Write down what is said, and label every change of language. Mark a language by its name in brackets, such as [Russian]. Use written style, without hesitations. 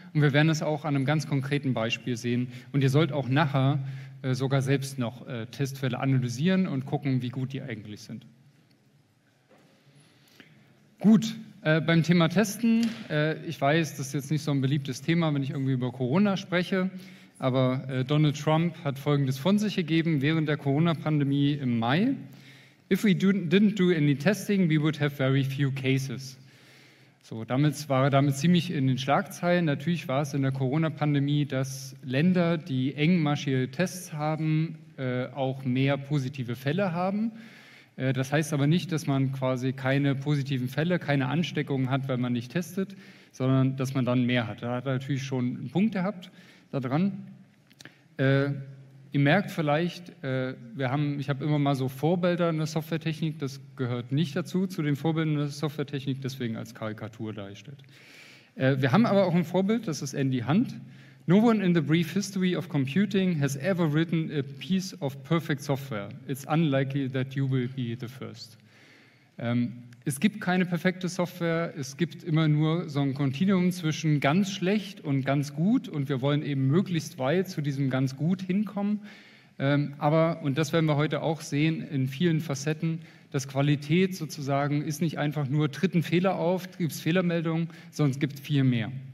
[German] Und wir werden es auch an einem ganz konkreten Beispiel sehen. Und ihr sollt auch nachher sogar selbst noch Testfälle analysieren und gucken, wie gut die eigentlich sind. Gut. Beim Thema Testen, ich weiß, das ist jetzt nicht so ein beliebtes Thema, wenn ich irgendwie über Corona spreche, aber Donald Trump hat Folgendes von sich gegeben während der Corona-Pandemie im Mai. [English] If we didn't do any testing, we would have very few cases. [German] So, damit war er damit ziemlich in den Schlagzeilen. Natürlich war es in der Corona-Pandemie, dass Länder, die engmaschige Tests haben, auch mehr positive Fälle haben. Das heißt aber nicht, dass man quasi keine positiven Fälle, keine Ansteckungen hat, weil man nicht testet, sondern dass man dann mehr hat. Da hat er natürlich schon einen Punkt gehabt daran. Ihr merkt vielleicht, ich habe immer mal so Vorbilder in der Softwaretechnik, das gehört nicht dazu, zu den Vorbildern in der Softwaretechnik, deswegen als Karikatur dargestellt. Wir haben aber auch ein Vorbild, das ist Andy Hunt. [English] No one in the brief history of computing has ever written a piece of perfect software. It's unlikely that you will be the first. [German] Es gibt keine perfekte Software. Es gibt immer nur so ein Kontinuum zwischen ganz schlecht und ganz gut. Und wir wollen eben möglichst weit zu diesem ganz gut hinkommen. Aber, und das werden wir heute auch sehen in vielen Facetten, dass Qualität sozusagen ist nicht einfach nur, tritt ein Fehler auf, gibt es Fehlermeldungen, sondern es gibt viel mehr.